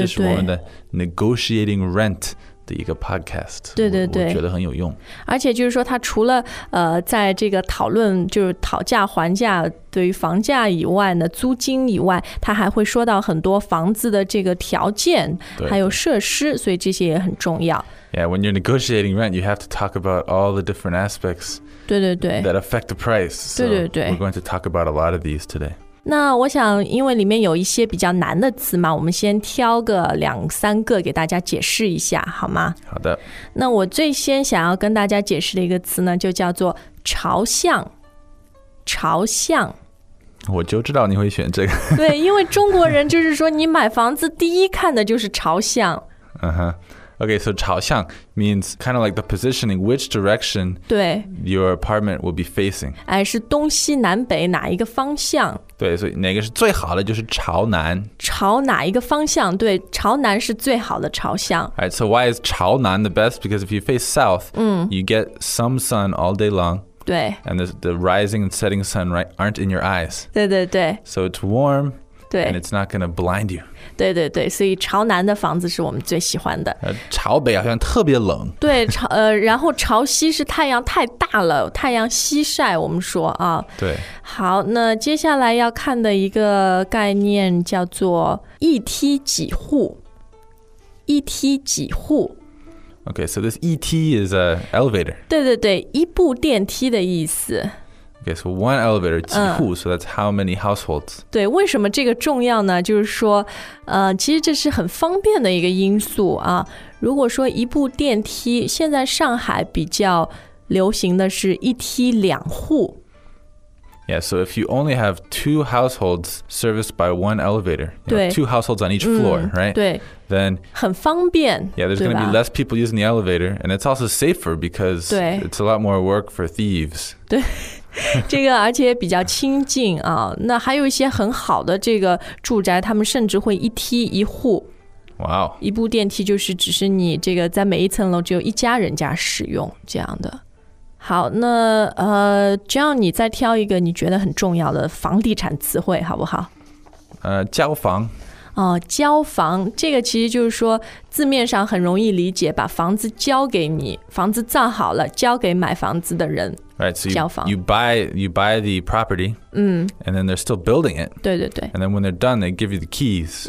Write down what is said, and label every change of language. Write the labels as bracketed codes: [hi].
[zh] 这是我们的 Negotiating Rent 的一个 podcast，对对对，我觉得很有用。而且就是说他除了在这个讨论就是讨价还价对于房价以外呢，租金以外，他还会说到很多房子的这个条件，对对，还有设施，所以这些也很重要。 [en] Yeah, when you're negotiating rent, you have to talk about all the different aspects [zh] 对对对 [en] that affect the price. So [zh] 对对对， [en] we're going to talk about a lot of these today. [zh] 那我想因为里面有一些比较难的词嘛，我们先挑个两三个给大家解释一下好吗？好的。那我最先想要跟大家解释的一个词呢，就叫做朝向。朝向，我就知道你会选这个。对，因为中国人就是说你买房子第一看的就是朝向。 [en] Okay, so 朝向 means kind of like the positioning, which direction your apartment will be facing. [zh] 哎，是东西南北哪一个方向。对，所以哪个是最好的就是朝南。朝哪一个方向，对，朝南是最好的朝向。 [en] All right, so why is 朝南 the best? Because if you face south, you get some sun all day long. [zh] 对。 [en] And the rising and setting sun aren't in your eyes. [zh] 对对对。 [en] So it's warm. [zh] 对。 [en] And it's not going to blind you. [zh] 对对对，所以朝南的房子是我们最喜欢的。朝北好像特别冷。对，然后朝西是太阳太大了，太阳西晒，我们说啊。对。好，那接下来要看的一个概念叫做一梯几户。一梯几户。 [en] Okay, so this 一梯 is an elevator. [zh] 对对对，一部电梯的意思。 [en] Okay, so one elevator, 几户, so that's how many households. [zh] 对，为什么这个重要呢？就是说，其实这是很方便的一个因素啊。如果说一部电梯，现在上海比较流行的是一梯两户。 [en] Yeah, so if you only have two households serviced by one elevator, you know, two households on each floor, right? [zh] 对。 [en] Then [zh] 很方便。 [en] Yeah, there's going to be less people using the elevator, and it's also safer because it's a lot more work for thieves. [zh] 对。这个而且比较亲近啊，那还有一些很好的这个住宅，他们甚至会一梯一户。哇哦！一部电梯就是只是你这个在每一层楼只有一家人家使用这样的。好，那这样你再挑一个你觉得很重要的房地产词汇好不好？交房。哦，交房，这个其实就是说字面上很容易理解，把房子交给你，房子造好了交给买房子的人。 [en] Right, so you buy the property, and then they're still building it. [zh] 对对对。 [en] And then when they're done, they give you the keys.